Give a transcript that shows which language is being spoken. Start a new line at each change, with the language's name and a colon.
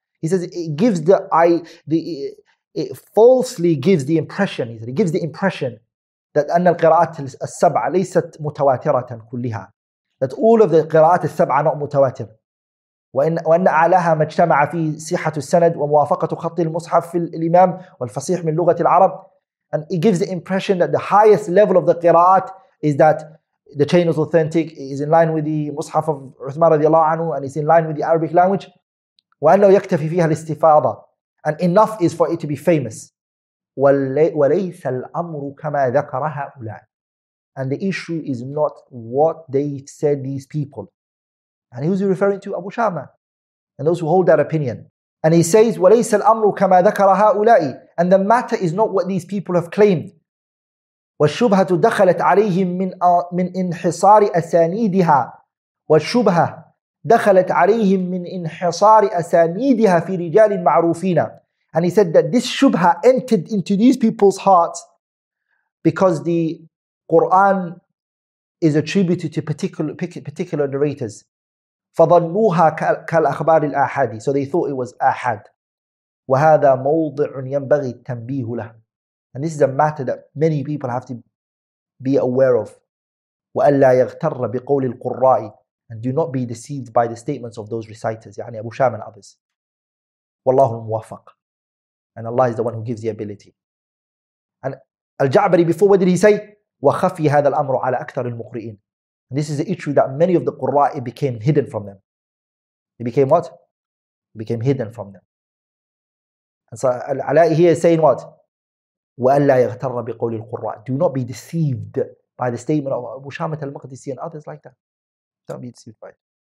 English: He says it falsely gives the impression that
Arabic: أن القراءات السبع ليست متواترة كلها.
English: That all of the قراءات السبع are not متواتر.
Arabic: وأن أعلاها ما اجتمع فيه صحة السند وموافقة خط المصحف في الإمام والفصيح من لغة العرب.
English: And it gives the impression that the highest level of the qira'at is that the chain is authentic, it is in line with the Mus'haf of Uthman radiallahu anhu, and it's in line with the Arabic language.
Arabic: وَأَنَّهُ يَكْتَفِ فِيهَا الْإِسْتِفَاضَ.
English: And enough is for it to be famous.
Arabic: وَلَيْسَ الْأَمْرُ كَمَا ذَكَرَ هَؤُلَاءِ.
English: And the issue is not what they said, these people. And who's he referring to? Abu Shama. And those who hold that opinion. And he says,
Arabic: وَلَيْسَ الْأَمْرُ كَمَا ذَكَرَ هَؤُلَاءِ.
English: And the matter is not what these people have claimed.
Arabic: وَالشُّبْهَةُ دَخَلَتْ عَلَيْهِمْ مِنْ إِنْحِصَارِ أَسَانِيدِهَا وَالشُّبْهَةُ دَخَلَتْ عَلَيْهِمْ مِنْ إِنْحِصَارِ أَسَانِيدِهَا فِي رِجَالٍ مَعْرُوفِينَ.
English: And he said that this shubha entered into these people's hearts because the Quran is attributed to particular narrators.
Arabic: فَظَنُّوهَا كَالْأَخْبَارِ الْآحَادِ.
English: So they thought it was ahad.
Arabic: وهذا موضع ينبغي التنبيه له.
English: And this is a matter that many people have to be aware of.
Arabic: وألا يغتر بقول القراء.
English: And do not be deceived by the statements of those reciters, يعني Abu Shama and others.
Arabic: والله الموافق.
English: And Allah is the one who gives the ability. And Al-Ja'bari before, what did he say?
Arabic: وخفي هذا الأمر على أكثر المقرئين.
English: And this is the issue that many of the قراء, it became hidden from them. It became what? It became hidden from them. And so Al-Ala'i here is saying what?
Arabic: وَأَلَّا يَغْتَرَّ بِقَوْلِ الْقُرَّىٰ.
English: Do not be deceived by the statement of Abu Shamat al-Maqdisi and others like that. Don't be deceived by it.